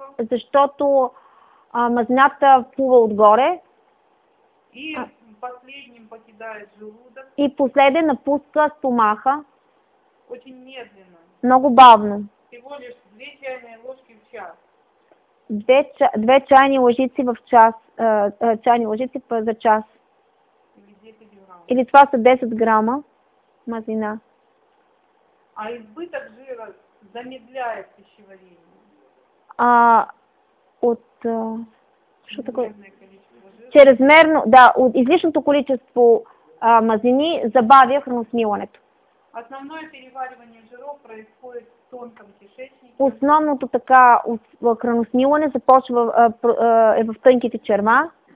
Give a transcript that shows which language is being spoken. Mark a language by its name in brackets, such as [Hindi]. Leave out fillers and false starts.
[Bulgarian] Защото, мазнята плува отгоре. [Russian] И последним покидает желудок. [Bulgarian] И последен напуска стомаха. [Russian] Очень медленно. [Bulgarian] Много бавно. [Russian] Всего лишь 2 чайные ложки в час. [Bulgarian] Две чайни ложици в час. Чайни ложици за час. [Russian] Или 10 грамм. [Bulgarian] Или това са 10 грама мазнина. [Russian] А избыток жира замедляет пищеварение. Що такое? [Bulgarian] Чрезмерно, от излишното количество мазнини забавя храносмилането. [Russian] Основное переваривание жиров происходит в тонком кишечнике. [Bulgarian] Основното така храносмилане започва в тънките черма.